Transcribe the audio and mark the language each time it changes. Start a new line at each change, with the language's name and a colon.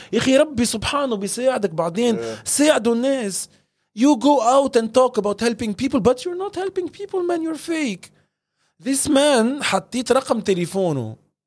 Arabic: يخي ربي سبحانه بيساعدك بعدين. ساعدوا الناس.
English: You go out and talk about helping people, but you're not helping people, man. You're fake. This man
Arabic: حطيت رقم تليفونه.